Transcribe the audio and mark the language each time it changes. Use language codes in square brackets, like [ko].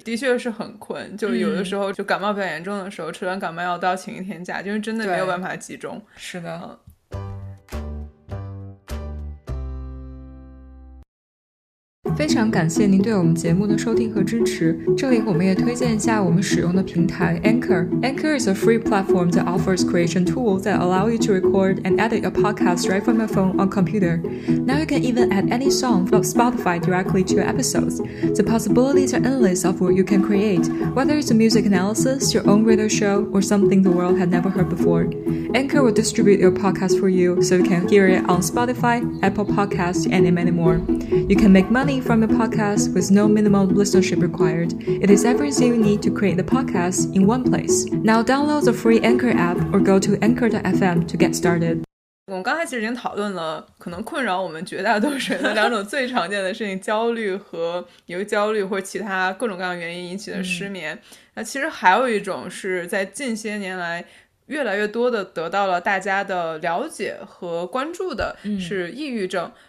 [zh] 的确是很困，就有的时候就感冒比较严重的时候、吃完感冒药都要请一天假，就是真的没有办法集中。是的。非常感谢您对我们节目的收听和支持，这里我们也推荐一下我们使用的平台 Anchor。 [en] Anchor is a free platform that offers creation tools that allow you to record and edit your podcast right from your phone or computer. Now you can even add any song from Spotify directly to your episodes. The possibilities are endless of what you can create, whether it's a music analysis, your own radio show, or something the world had never heard before. Anchor will distribute your podcast for you so you can hear it on Spotify, Apple Podcasts, and many more. You can make money from your podcast with no minimum listenership required. It is everything you need to create the podcast in one place. Now download the free Anchor app or go to anchor.fm to get started. [zh] 我们刚才其实已经讨论了可能困扰我们绝大多数人的两种最常见的事情，焦虑和由焦虑或其他各种各样原因引起的失眠。那其实还有一种是在近些年来越来越多的得到了大家的了解和关注的，是抑郁症。